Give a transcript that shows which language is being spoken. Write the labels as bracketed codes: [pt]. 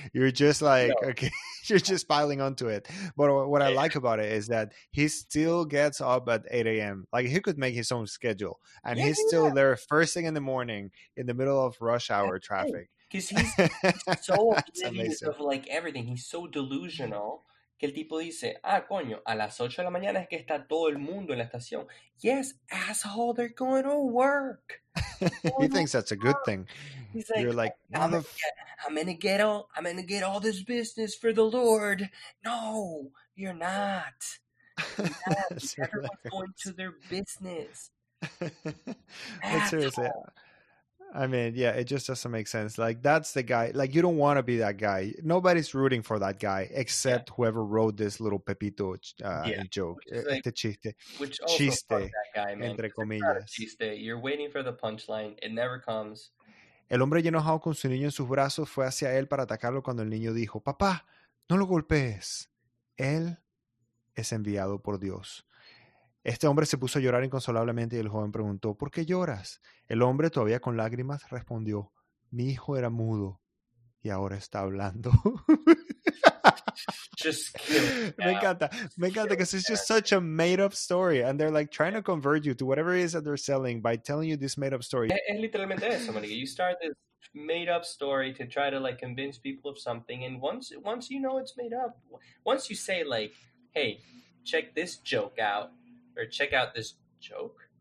[en] You're just like, okay, you're just piling onto it. But what I like about it is that he still gets up at 8 a.m. Like, he could make his own schedule. And yeah, he's still there first thing in the morning in the middle of rush hour traffic. Because he's so oblivious of, like, everything. He's so delusional. [es] Que el tipo dice, ah, coño, a las 8 de la mañana es que está todo el mundo en la estación. [en] Yes, asshole, they're going to work. He thinks that's a good thing. He's like, you're like, I'm gonna get all this business for the Lord. No, you're not. Everyone's going to their business. But seriously, I mean, yeah, it just doesn't make sense. Like, that's the guy. Like, you don't want to be that guy. Nobody's rooting for that guy except whoever wrote this little Pepito joke. [es] Este chiste. [en] Which also chiste, that guy, man. [es] Entre comillas. [en] Chiste. You're waiting for the punchline. It never comes. [es] El hombre ya enojado con su niño en sus brazos fue hacia él para atacarlo cuando el niño dijo, papá, no lo golpees. Él es enviado por Dios. Este hombre se puso a llorar inconsolablemente y el joven preguntó, ¿por qué lloras? El hombre, todavía con lágrimas, respondió, mi hijo era mudo y ahora está hablando. [en] Just kill [es] me encanta. Me encanta [en] because it's just such a made-up story and they're like trying to convert you to whatever it is that they're selling by telling you this made-up story. [es] Es literalmente eso, Marika. [en] You start this made-up story to try to, like, convince people of something, and once you know it's made up, once you say, like, hey, check this joke out, or check out this joke.